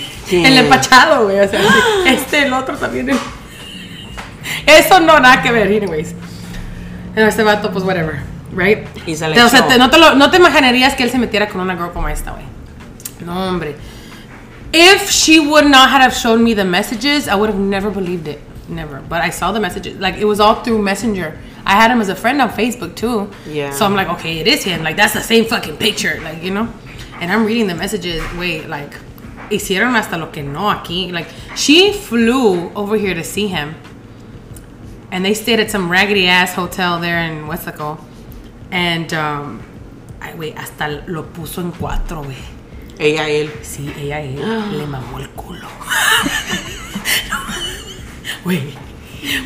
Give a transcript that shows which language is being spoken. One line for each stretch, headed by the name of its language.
Spanish: El empachado, güey. O sea, este, el otro también. Eso no, nada que ver, anyways. Este vato, pues,
English: whatever. Right?
Spanish: Y se o sea, no te imaginarías que él se metiera con una girl como esta, güey. No, hombre.
English: If she would not have shown me the messages, I would have never believed it. Never. But I saw the messages. Like, it was all through Messenger. I had him as a friend on Facebook, too. Yeah. So I'm like, okay, it is him. Like, that's the same fucking picture. Like, you know? And I'm reading the messages. Wait, like,
Spanish: hicieron hasta lo que no aquí.
English: Like, she flew over here to see him. And they stayed at some raggedy-ass hotel there in Wesico.
Spanish: And, hasta lo puso en cuatro, güey. Ella y él. Sí, ella y él. Le mamó el culo.